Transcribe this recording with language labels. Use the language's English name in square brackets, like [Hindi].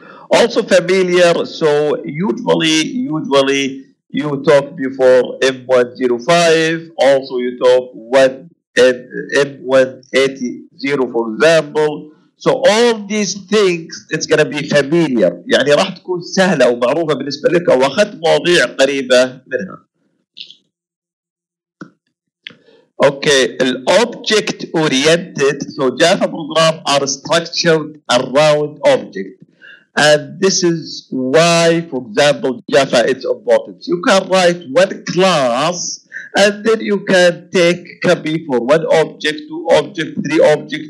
[English] Also familiar, so usually you talk before M105, also you talk what M180, for example. So all these things, it's going to be familiar. [Arabic] يعني راح تكون سهلة ومعروفة بالنسبة لك واخذت مواضيع قريبة منها. [English] Okay, object-oriented, so Java programs are structured around object. And this is why, for example, Java is important. You can write one class, and then you can take copy for one object, two object, three object.